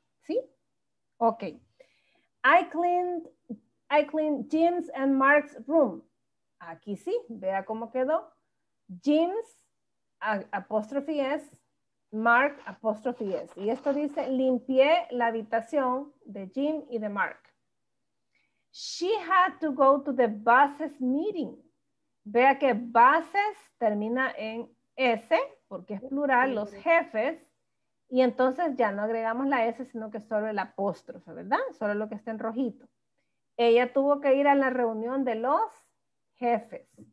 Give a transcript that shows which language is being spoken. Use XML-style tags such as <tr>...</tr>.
<en>¿Sí? Ok. I cleaned Jim's and Mark's room.</en> <es>Aquí sí, vea cómo quedó. Jim's apóstrofe S, Mark apóstrofe S. Y esto dice, limpié la habitación de Jim y de Mark.</es> <en>She had to go to the buses meeting.</en> <es>Vea que buses termina en S, porque es plural, los jefes. Y entonces ya no agregamos la S, sino que solo el apóstrofe, ¿verdad? Solo lo que está en rojito. Ella tuvo que ir a la reunión de los jefes.</es>